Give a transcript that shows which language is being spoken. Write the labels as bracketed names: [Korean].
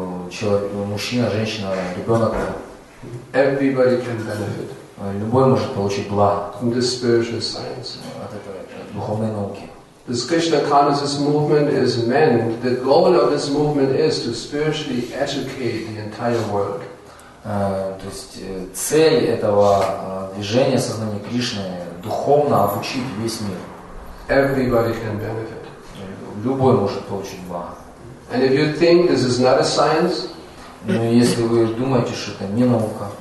[Russian] человек, мужчина, женщина, ребенок. [English] Everybody can benefit. [Russian] Любой может получить благо [English] from this spiritual science. [Russian] От этой духовной науки. [English] This Krishna consciousness movement is meant, the goal of this movement is to spiritually educate the entire world. [Russian] То есть цель этого движения сознания Кришны духовно обучить весь мир. [English] Everybody can benefit. [Russian] Любой может получить благо. [English] And if you think this is not a science, [Russian] но если вы думаете, что это не наука,